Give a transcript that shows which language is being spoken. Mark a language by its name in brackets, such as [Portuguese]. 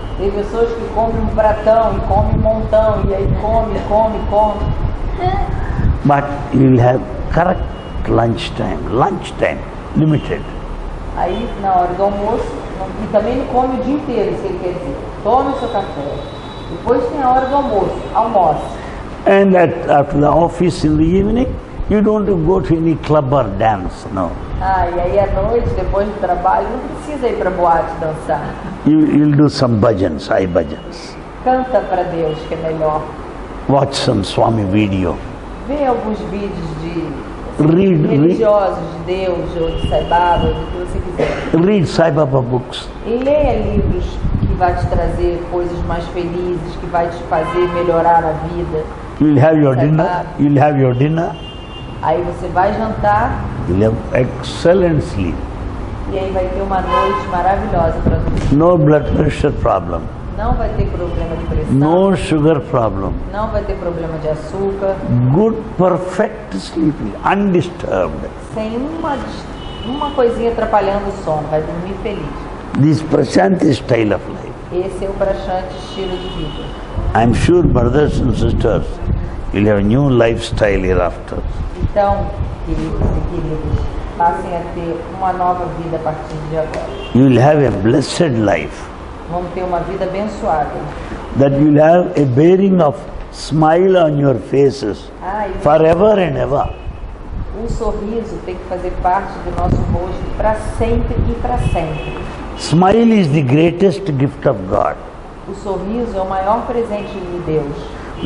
[Portuguese] Tem pessoas que comem um pratão e comem um montão e aí come. [English] But you will have correct lunch time, limited. [Portuguese] Aí na hora do almoço, e também não come o dia inteiro, se ele quer dizer. Tome o seu café. Depois tem a hora do almoço, [English] And at, after the office in the evening, you don't go to any club or dance, no. [Portuguese] Ah, e aí à noite, depois do trabalho, não precisa ir para a boate dançar. [English] You'll do some bhajans, sai bhajans. [Portuguese] Canta para Deus, que é melhor. [English] Watch some Swami video. [Portuguese] Vê alguns vídeos de religiosos, de Deus, ou de Sai Baba, ou de que você quiser. [English] Read Sai Baba books. [Portuguese] Leia livros que vai te trazer coisas mais felizes, que vai te fazer melhorar a vida. [English] You'll have your dinner. You'll have your dinner. [Portuguese] Aí você vai jantar. [English] You'll have excellent sleep. [Portuguese] E aí vai ter uma noite maravilhosa para você. [English] No blood pressure problem. [Portuguese] Não vai ter problema de pressão. [English] No sugar problem. [Portuguese] Não vai ter problema de açúcar. [English] Good, perfect sleep, undisturbed. [Portuguese] Sem uma coisinha atrapalhando o sono, vai dormir feliz. [English] This Prashanti style of life. [Portuguese] Esse é o Prashanti estilo de vida. [English] I'm sure, brothers and sisters, you'll have a new lifestyle hereafter. [Portuguese] Então, queridos e queridas, passem a ter uma nova vida a partir de agora. [English] You'll have a blessed life. [Portuguese] Vão ter uma vida abençoada. [English] That you'll have a bearing of smile on your faces. Forever and ever. [Portuguese] Um sorriso tem que fazer parte do nosso rosto para sempre e para sempre. [English] Smile is the greatest gift of God. [Portuguese] O sorriso é o maior presente de Deus.